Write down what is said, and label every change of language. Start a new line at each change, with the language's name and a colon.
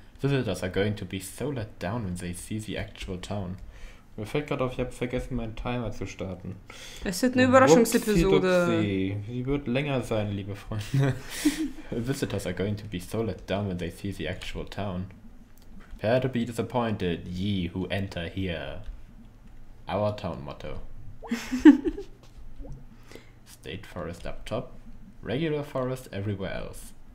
German: Visitors are going to be so let down when they see the actual town. Mir fällt gerade auf, ich habe vergessen, meinen Timer zu starten. Es wird eine Überraschungsepisode. Sie wird länger sein, liebe Freunde.
English: Visitors are going to be so let down when they see the actual town. Prepare to be disappointed, ye who enter here. Our town motto. State forest up top, regular forest everywhere else.